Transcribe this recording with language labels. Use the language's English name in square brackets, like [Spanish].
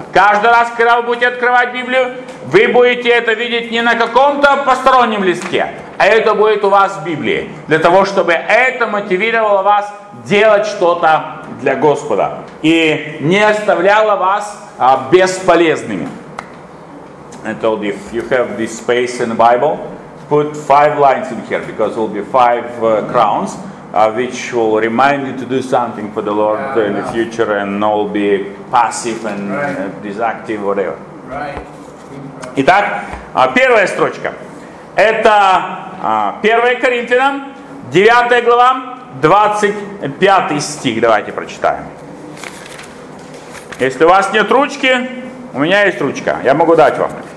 [Russian] Каждый раз, когда вы будете открывать Библию, вы будете это видеть не на каком-то постороннем листке, а это будет у вас в Библии, для того, чтобы это мотивировало вас делать что-то для Господа и не оставляло вас бесполезными. [English] I told you, if you have this space in the Bible, put 5 lines in here, because it will be 5 crowns, which will remind you to do something for the Lord in the future, and all be passive and disactive, whatever. Right. [Russian] Итак, первая строчка. Это 1 Коринфянам, 9 глава, 25 стих. Давайте прочитаем. Если у вас нет ручки, у меня есть ручка. Я могу дать вам.